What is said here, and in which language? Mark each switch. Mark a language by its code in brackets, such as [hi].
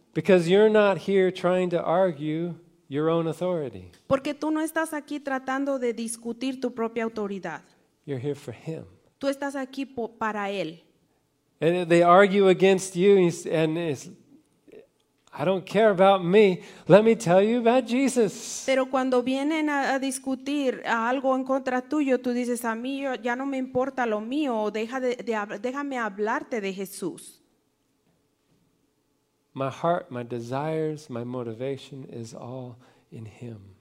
[en] Because you're not here trying to argue your own authority. [es] Porque tú no estás aquí tratando de discutir tu propia autoridad. [en] You're here for him. [es] Tú estás aquí para él. [en] And they argue against you and it's, I don't care about me. Let me tell you about Jesus. [es] Pero cuando vienen a discutir algo en contra tuyo, tú dices a mí ya no me importa lo mío, déjame hablarte de Jesús. [en] My heart, my desires, my motivation is all in him.